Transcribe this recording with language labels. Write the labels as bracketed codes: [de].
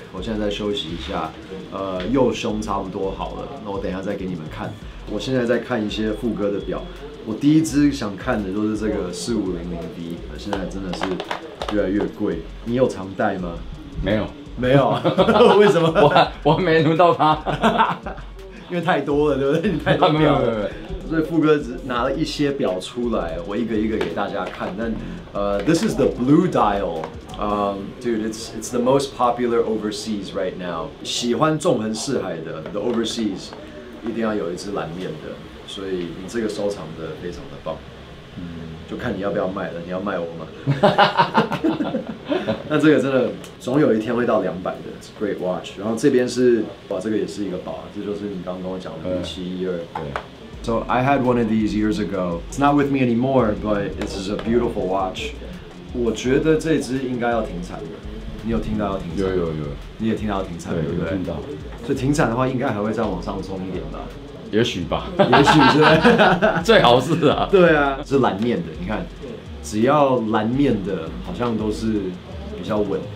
[zh] 我现在在休息一下，右胸差不多好了。那我等一下再给你们看。我现在在看一些富哥的表，我第一支想看的就是这个4500 V， 现在真的是越来越贵。你有常戴吗？没有，没有。为什么？我没轮到它，因为太多了，对不对？你太多了。没有。所以富哥拿了一些表出来，我一个一个给大家看。但 [en] this is the blue dial. Dude, it's the most popular overseas right now. [zh] 喜欢纵横四海的 the overseas 一定要有一只蓝面的，所以你这个收藏的非常的棒。就看你要不要卖了，你要卖我吗？那这个真的总有一天会到200的 [en] It's a great watch. [zh] 然后这边是哇，这个也是一个宝，这就是你刚刚跟我讲的1712。 [en] So I had one of these years ago. It's not with me anymore, but it's a beautiful watch. [zh] 我觉得这只应该要停产的。你有听到要停产？有。你也听到要停产，对不对？听到。所以停产的话，应该还会再往上冲一点吧。也许吧，也许是，最好是啊。对啊，是蓝面的，你看，只要蓝面的，好像都是比较稳。